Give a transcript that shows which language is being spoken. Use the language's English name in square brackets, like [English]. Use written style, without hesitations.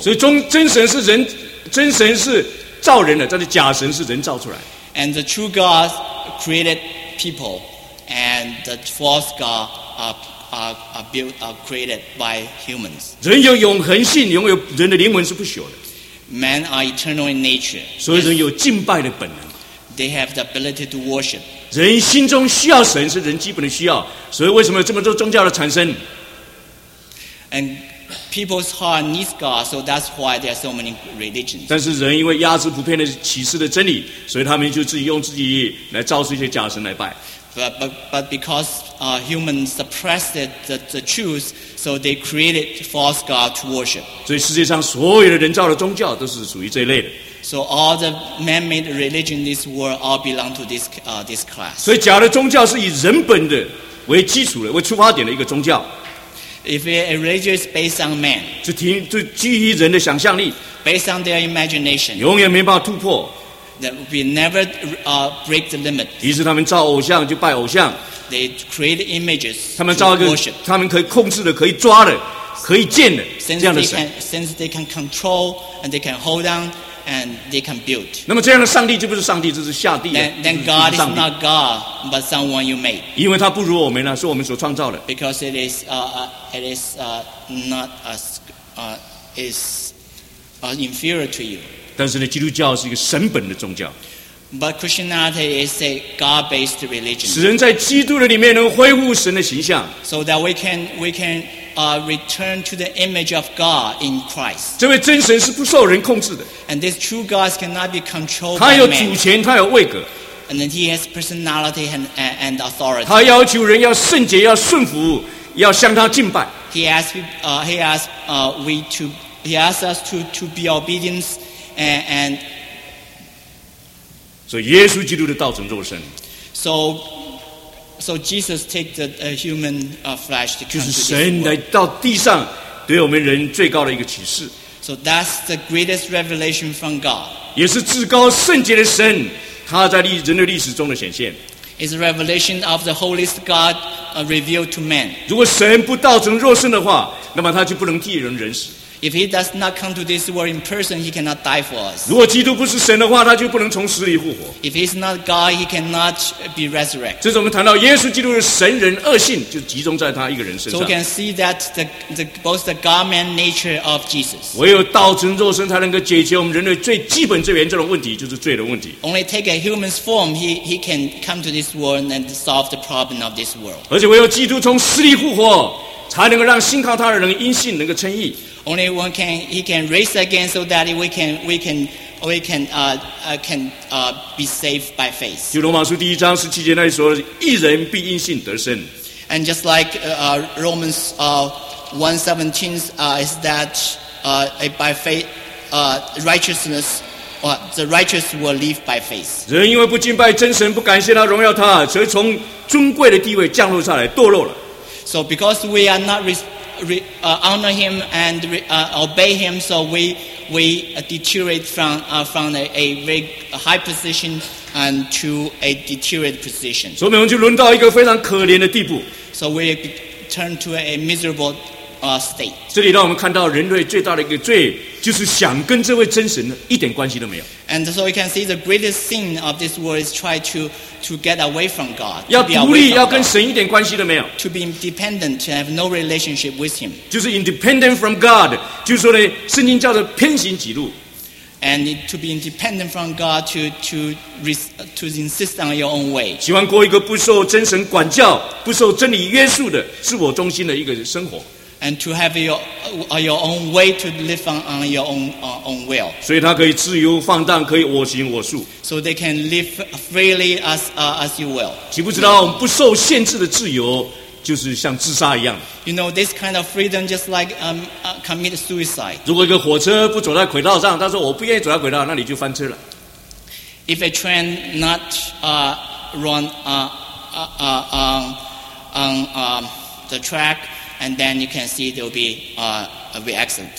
[Chinese] 所以真神是人，真神是造人的，但是假神是人造出来。 [English] And the true God created people, and the false God are created by humans. [Chinese] 人有永恒性，拥有人的灵魂是不朽的。 [English] Men are eternal in nature. [Chinese] 所以人有敬拜的本能。 [English] They have the ability to worship. [Chinese] 人心中需要神是人基本的需要，所以为什么有这么多宗教的产生 [English] ？And people's heart needs God, so that's why there are so many religions. [Chinese] 但是人因为压制普遍的启示的真理，所以他们就自己用自己来造出一些假神来拜。 [English] But because humans suppressed the truth, so they created false God to worship. [Chinese] 所以世界上所有的人造的宗教都是属于这一类的。 [English] So all the man-made religion in this world all belong to this this class. [Chinese] 所以假的宗教是以人本的为基础的为出发点的一个宗教。 [English] If a religion is based on man, [Chinese] 就基于人的想象力 [English] ，based on their imagination, [Chinese] 永远没办法突破。 [English] That we never break the limit. [Chinese] 于是他们造偶像就拜偶像。 [English] They create images. [Chinese] 他们造一个 [English] worship. [Chinese] 他们可以控制的，可以抓的，可以建的 [English] since [Chinese] 这样的神。 [English] Since they can control and they can hold on. And they can build. [Chinese] 那么这样的上帝就不是上帝，这是下帝。 [English] Then God is not God, but someone you made. [Chinese] 因为他不如我们了，是我们所创造的。 [English] Because it is inferior to you. [Chinese] 但是呢，基督教是一个神本的宗教。 [English] But Christianity is a God-based religion. [Chinese] 使人在基督的里面能恢复神的形象。 [English] So that we can return to the image of God in Christ. [Chinese] 这位真神是不受人控制的。 [English] And this true God cannot be controlled. [Chinese] 他有主权，他有位格。 [English] And then he has personality and authority. [Chinese] 他要求人要圣洁，要顺服，要向他敬拜。 [English] He asks us to be obedient and. [Chinese] 所以耶稣基督的道成肉身。 [English] So Jesus take the human flesh to come. [Chinese] 就是神来到地上，对我们人最高的一个启示。 [English] So that's the greatest revelation from God. [Chinese] 也是至高圣洁的神，他在人的历史中的显现。 [English] It's a revelation of the holiest God revealed to man. [Chinese] 如果神不道成肉身的话，那么他就不能替人死。 [English] If he does not come to this world in person, he cannot die for us. [Chinese] 如果基督不是神的话，他就不能从死里复活。 [English] If he is not God, he cannot be resurrected. [Chinese] 这是我们谈到耶稣基督的神人二性，就集中在他一个人身上。 [English] So we can see that the both the God-man nature of Jesus. [Chinese] 唯有道成肉身，才能够解决我们人类最基本、最严重的问题，就是罪的问题。 [English] Only take a human's form, he can come to this world and solve the problem of this world. [Chinese] 而且唯有基督从死里复活，才能够让信靠他的人因信能够称义。 [English] Only one can he can raise again so that we can be saved by faith. [Chinese] 就罗马书第一章十七节那里说，义人必因信得生。 [English] And just like Romans 1:17 is that by faith righteousness or the righteous will live by faith. [Chinese] 人因为不敬拜真神，不感谢他、荣耀他，所以从尊贵的地位降落下来，堕落了。 [English] So because we are not honor him and obey him, so we deteriorate from a very high position and to a deteriorate position. So we turn to a miserable state. [Chinese] 这里让我们看到人类最大的一个罪，就是想跟这位真神一点关系都没有。 [English] And so you can see the greatest sin of this world is try to get away from God. [Chinese] 要独立，要跟神一点关系都没有。 [English] To be independent, to have no relationship with Him. [Chinese] 就是 [English] independent from God， [Chinese] 就是说呢，圣经叫做偏行己路。 [English] And to be independent from God, to insist on your own way. [Chinese] 喜欢过一个不受真神管教、不受真理约束的自我中心的一个生活。 [English] And to have your own way to live on your own will. [Chinese] 所以他可以自由放荡，可以我行我素。 [English] So they can live freely as you will. [Chinese] 岂不知道我们不受限制的自由，就是像自杀一样。 [English] You know, this kind of freedom just like commit suicide. [Chinese] 如果一个火车不走在轨道上，他说我不愿意走在轨道，那你就翻车了。 [English] If a train not run on the track, and then you can see there'll be a accident.